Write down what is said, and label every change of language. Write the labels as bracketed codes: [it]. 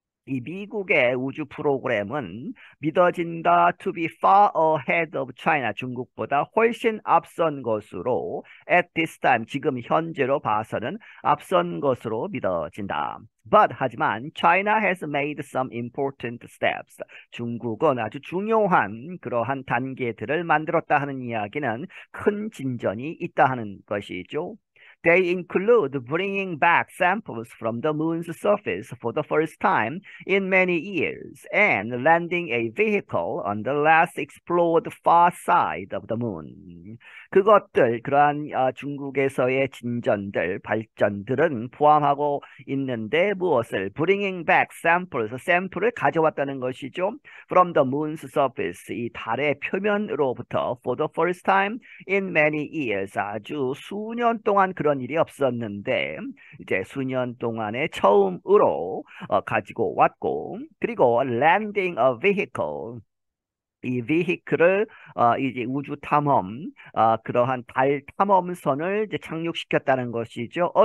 [ko] 이 미국의 우주 프로그램은 믿어진다 [en] to be far ahead of China, [ko] 중국보다 훨씬 앞선 것으로 [en] at this time, [ko] 지금 현재로 봐서는 앞선 것으로 믿어진다. [en] But [ko] 하지만 [en] China has made some important steps. [ko] 중국은 아주 중요한 그러한 단계들을 만들었다 하는 이야기는 큰 진전이 있다 하는 것이죠. [en] They include bringing back samples from the moon's surface for the first time in many years and landing a vehicle on the last explored far side of the moon. [ko] 그것들, 그러한 중국에서의 진전들, 발전들은 포함하고 있는데 무엇을? [en] Bringing back samples, [ko] 샘플을 가져왔다는 것이죠. [en] From the moon's surface, [ko] 이 달의 표면으로부터 [en] for the first time in many years, [ko] 아주 수년 동안 그런 일이 없었는데 이제 수년 동안에 처음으로 가지고 왔고 그리고 [en] landing a vehicle [ko] 이 vehicle를 이제 우주 탐험 그러한 달 탐험선을 이제 착륙시켰다는 것이죠.